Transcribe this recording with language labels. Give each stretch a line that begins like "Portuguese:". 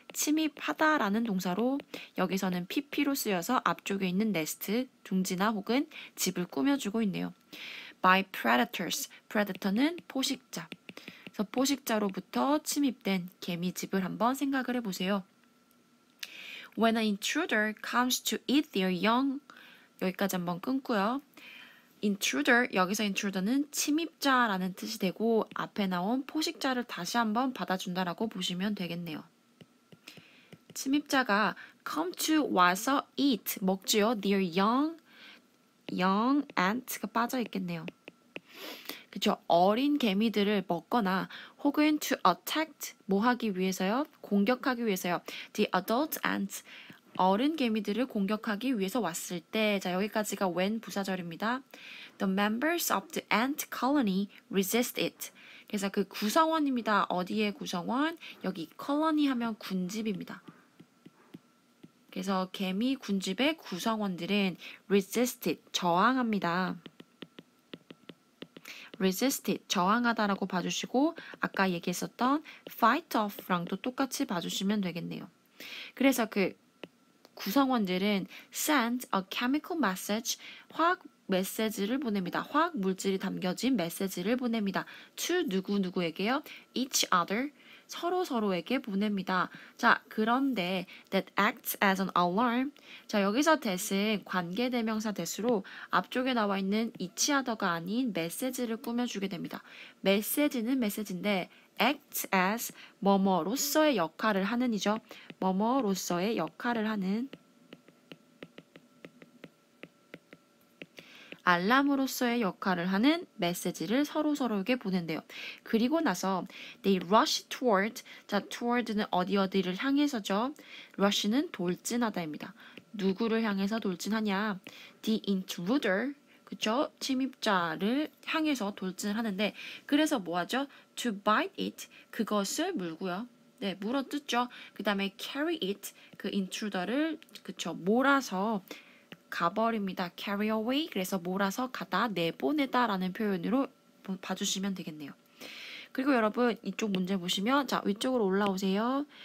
Korean: 침입하다라는 동사로 여기서는 PP로 쓰여서 앞쪽에 있는 nest. 둥지나 혹은 집을 꾸며주고 있네요.
English: By predators.
Korean: Predator는 포식자. 그래서 포식자로부터 침입된 개미집을 한번 생각을 해보세요.
English: When an intruder comes to eat their young,
Korean: 여기까지 한번 끊고요. Intruder, 여기서 intruder는 침입자라는 뜻이 되고, 앞에 나온 포식자를 다시 한번 받아준다라고 보시면 되겠네요. 침입자가 come to 와서 eat, 먹지요.
English: Their young
Korean: ant가 빠져 있겠네요. 그쵸. 어린 개미들을 먹거나 혹은 to attack, 뭐 하기 위해서요? 공격하기 위해서요.
English: The adult ants,
Korean: 어린 개미들을 공격하기 위해서 왔을 때, 자, 여기까지가 when 부사절입니다.
English: The members of the ant colony resist it.
Korean: 그래서 그 구성원입니다. 어디의 구성원? 여기 colony 하면 군집입니다. 그래서 개미 군집의 구성원들은
English: resist it,
Korean: 저항합니다. Resisted, 저항하다라고 봐주시고 아까 얘기했었던 fight off랑도 똑같이 봐주시면 되겠네요. 그래서 그 구성원들은
English: send a chemical message,
Korean: 화학 메시지를 보냅니다. 화학 물질이 담겨진 메시지를 보냅니다. To 누구누구에게요?
English: Each other,
Korean: 서로서로에게 보냅니다. 자, 그런데
English: that acts as an alarm.
Korean: 자, 여기서 that은 관계대명사 that으로 앞쪽에 나와 있는 each other가 아닌 메시지를 꾸며주게 됩니다. 메시지는 메시지인데 acts as 뭐뭐로서의 역할을 하는이죠. 뭐뭐로서의 역할을 하는 알람으로서의 역할을 하는 메시지를 서로서로에게 보낸대요. 그리고 나서
English: they rush toward
Korean: 자, toward는 어디 어디를 향해서죠? rush는 돌진하다입니다. 누구를 향해서 돌진하냐?
English: the intruder
Korean: 그쵸? 침입자를 향해서 돌진을 하는데 그래서 뭐 하죠?
English: to bite it
Korean: 그것을 물고요. 네, 물어뜯죠. 그다음에
English: carry it
Korean: 그 intruder를 그쵸? 몰아서 가버립니다.
English: carry away.
Korean: 그래서 몰아서 가다, 내보내다라는 표현으로 봐주시면 되겠네요. 그리고 여러분, 이쪽 문제 보시면, 자, 위쪽으로 올라오세요.